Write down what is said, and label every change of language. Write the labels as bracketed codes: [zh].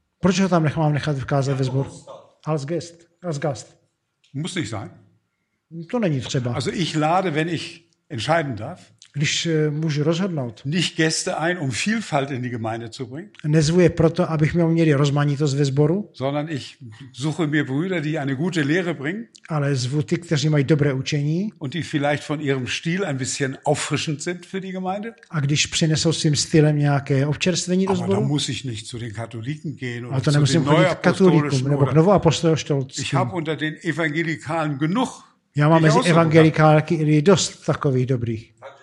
[cs] Proč ho tam mám nechat kázat ve sboru? [de] Als Gast. Muss nicht sein. [cs] To není třeba. [de] Also ich lade, wenn ich entscheiden darf. [cs] Když můžu rozhodnout. [de] Nicht Gäste ein, um Vielfalt in die Gemeinde zu bringen. [cs] Nezvu je proto, abych měli rozmanitost ve sboru. [de] Sondern ich suche mir Brüder, die eine gute Lehre bringen. [cs] Ale zvu ty, kteří mají dobré učení. [de] Und die vielleicht von ihrem Stil ein bisschen auffrischend sind für die Gemeinde. [cs] A když přinesou svým stylem nějaké občerstvení do sboru. [de] Aber da muss ich nicht zu den Katoliken gehen oder zu den Neuapostolischen [cs] nebo k novoapostolským. [de] Ich habe unter den Evangelikalen genug. [cs] Já mám mezi evangelikály dost takových dobrých.